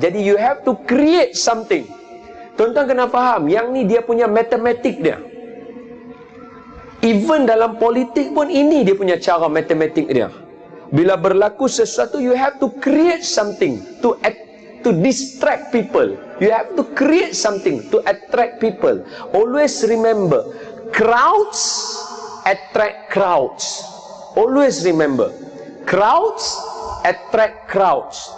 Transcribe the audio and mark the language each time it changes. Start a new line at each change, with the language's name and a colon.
English: Jadi you have to create something.
Malay: Tuan-tuan kena faham, yang ni dia punya matematik dia. Even dalam politik pun ini dia punya cara matematik dia. Bila berlaku sesuatu,
English: you have to create something to distract people. You have to create something to attract people. Always remember, crowds attract crowds. Always remember, crowds attract crowds.